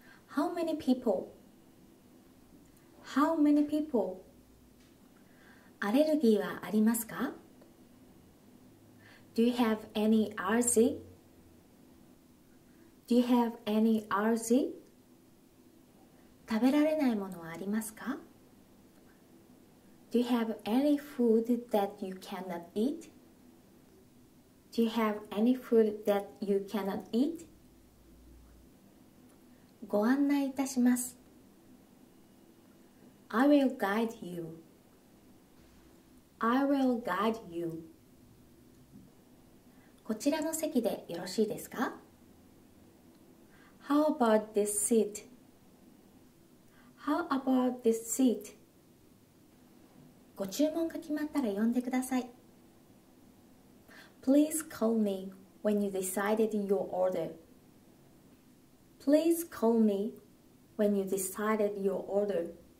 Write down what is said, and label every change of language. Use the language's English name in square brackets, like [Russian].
[English] How many people? How many people? [Japanese] アレルギーはありますか？ [English] Do you have any allergy? Do you have any allergy? [Japanese] 食べられないものはありますか? [English] Do you have any food that you cannot eat? Do you have any food that you cannot eat? [Japanese] ご案内いたします。 [English] I will guide you. I will guide you. [Japanese] こちらの席でよろしいですか? [English] How about this seat? How about this seat? [Japanese] ご注文が決まったら呼んでください。 [English] Please call me when you decided your order. Please call me when you decided your order.